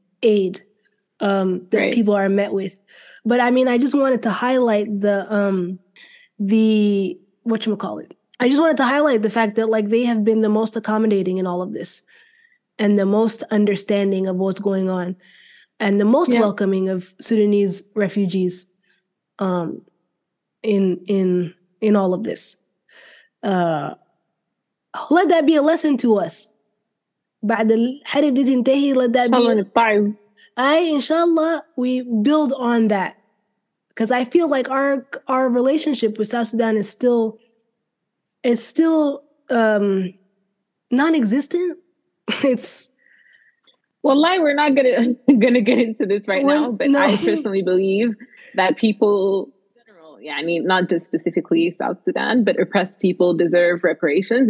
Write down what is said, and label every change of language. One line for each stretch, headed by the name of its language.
English: aid that right. people are met with. But I mean, I just wanted to highlight the fact that like they have been the most accommodating in all of this and the most understanding of what's going on and the most welcoming of Sudanese refugees in all of this. Let that be a lesson to us.
Arabic: بعد الحرب دي تنتهي,
English: let that be. Inshallah, we build on that. Because I feel like our relationship with South Sudan is still non-existent. It's... Wallahi, we're not going to get into this right now. But no. I personally believe that people, in general, not just specifically South Sudan, but oppressed people deserve reparations.